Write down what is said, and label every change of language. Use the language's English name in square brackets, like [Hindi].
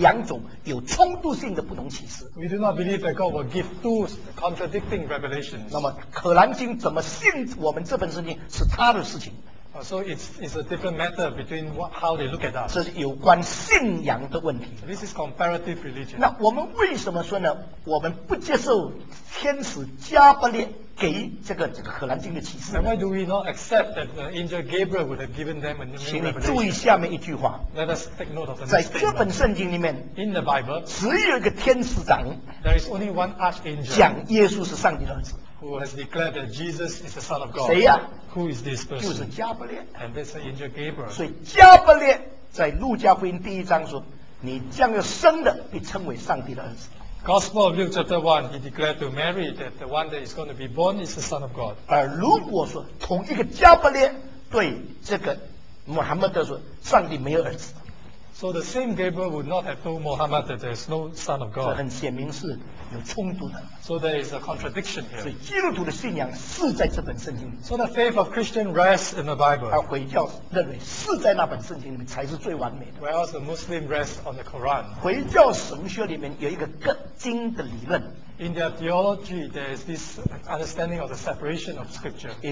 [Chinese] 所以不可能是一位神给两种有冲突性的不同启示。 [English] We do not believe that God will give two contradicting revelations. [Chinese] 那么可兰经怎么信我们这本圣经是他的事情。 [English] So it's a different matter between how they look at us. [Chinese] 这是有关信仰的问题。 [English] This is comparative religion. [Chinese] 那我们为什么说呢? 我们不接受天使加百列给这个可兰经的启示。 [English] Why do we not accept that the angel Gabriel would have given them a new revelation? [Chinese] 请你注意下面一句话。 [English] Let us take note of the next statement. [Chinese] 在这本圣经里面, [English] in the Bible, [Chinese] 只有一个天使长, [English] there is only one archangel, [Chinese] 讲耶稣是上帝的儿子。 [English] Who has declared that Jesus is the Son of God? [Chinese] 谁呀? [English] Who is this person? [Chinese] 就是加布列。 [English] And this is angel Gabriel. [Chinese] 所以加布列在路加福音第一章说, 你将要生的必称为上帝的儿子。 [English] Gospel of Luke chapter 1, he declared to Mary that the one that is going to be born is the Son of God. [Chinese] 而如果说同一个加百列对这个穆罕默德说，上帝没有儿子。 [English] So the same Gabriel would not have told Muhammad that there is no son of God. [Chinese] 这很显明是有冲突的。 [English] So there is a contradiction here. [Chinese] 所以基督徒的信仰是在这本圣经里。 [English] So the faith of Christian rests in the Bible. [Chinese] 而回教认为是在那本圣经里面才是最完美的。 [English] Whereas the Muslim rests on the Quran. [Chinese] 回教神学里面有一个更精的理论。 [English] In their theology, there is this understanding of the separation of Scripture.